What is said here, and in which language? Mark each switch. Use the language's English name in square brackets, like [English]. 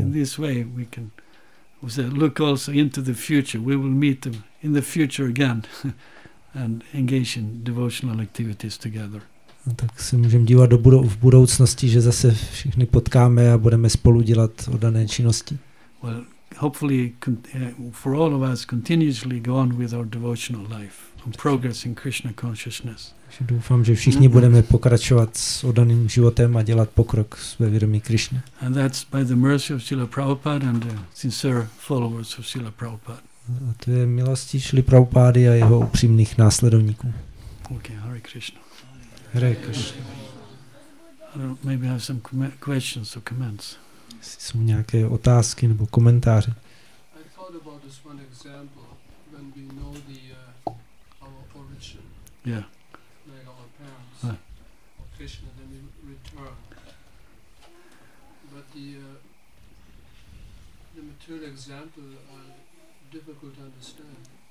[English] In this way we can look also into the future. We will meet in the future again and engage in devotional activities together. [Czech] A tak se můžeme dívat v budoucnosti, že zase všichni potkáme a budeme spolu dělat oddané činnosti. [English] Well, hopefully for all of us continuously go on with our devotional life and progress in Krishna consciousness. [Czech] Doufám, že všichni budeme pokračovat s oddaným životem a dělat pokrok ve vědomí Krishna. [English] And that's by the mercy of Srila Prabhupada and the sincere followers of Srila Prabhupada. [Czech] A to je milosti Srila Prabhupady a jeho upřímných následovníků. [English] Okay, Hare Krishna. Hare Krishna. I don't know, maybe I have some questions or comments. [Czech] Jsou nějaké otázky nebo komentáře. [English] I thought about this one example when we know the our origin. Yeah. Like our parents. Or Krishna, then we return. But the material example are difficult to understand.